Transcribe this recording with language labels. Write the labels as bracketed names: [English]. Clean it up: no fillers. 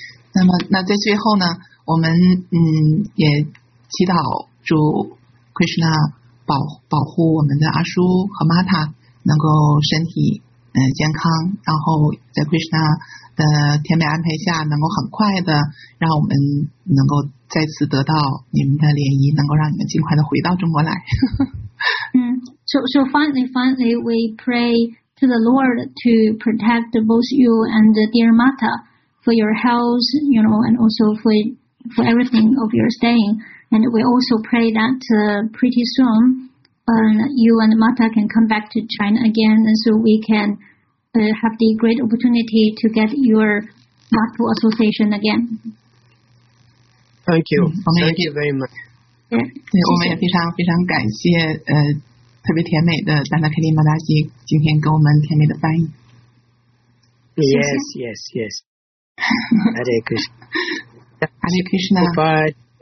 [Chinese] 那么在最后呢，我们也祈祷祝 Krishna 保护我们的阿叔和 Mata 能够身体健康，然后在 Krishna。甜美安排下能够很快的让我们能够再次得到你们的联谊，能够让你们尽快的回到中国来。 [English] So finally we pray to the Lord to protect both you and dear Mata for your health, you know, and also for everything of your staying. And we also pray that pretty soon you and Mata can come back to China again so we canhave the great opportunity to get your Mata association again. Thank you. Thank you very much. [Chinese] 对，我们也非常非常感谢特别甜美的丹娜凯利马达西今天给我们甜美的翻译。 [English] Yes. Hare Krishna. Hare Krishna. Goodbye.